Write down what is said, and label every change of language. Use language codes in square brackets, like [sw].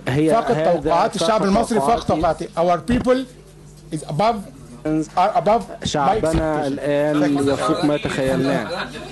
[ar] فقط توقعات الشعب المصري فقط توقعاتي. [en] Our people is above, are above [ar] شعبنا الآن يفوق ما تخيلناه.